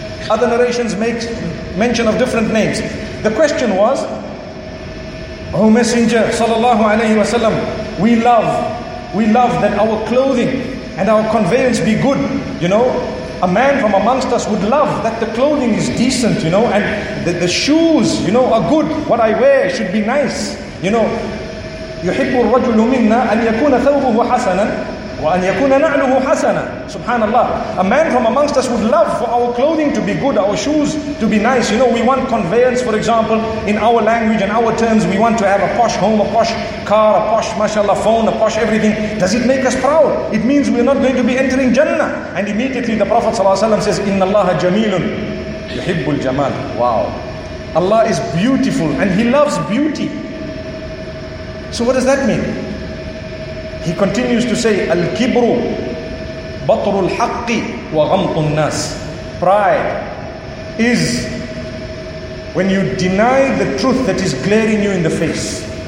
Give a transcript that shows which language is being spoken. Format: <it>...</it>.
<en>Other narrations make mention of different names. The question was, O Messenger sallallahu alayhi wa sallam, we love that our clothing and our conveyance be good. You know, a man from amongst us would love that the clothing is decent, you know, and that the shoes, you know, are good. What I wear should be nice, you know.</en> <ar>يحب الرجل منا أن يكون ثوبه حسنا وأن يكون نعله حسنا.</ar> <en>Subhanallah. A man from amongst us would love for our clothing to be good, our shoes to be nice. You know, we want conveyance, for example, in our language and our terms, we want to have a posh home, a posh car, a posh, mashallah, phone, a posh everything. Does it make us proud? It means we're not going to be entering Jannah. And immediately the Prophet ﷺ says,</en> <ar>إِنَّ اللَّهَ جَمِيلٌ يُحِبُّ الْجَمَالِ.</ar> <en>Wow. Allah is beautiful and He loves beauty. So what does that mean? He continues to say,</en> <ar>Al-kibru batrul haqqi wa ghamtun nas.</ar> <en>Pride is when you deny the truth that is glaring you in the face.</en>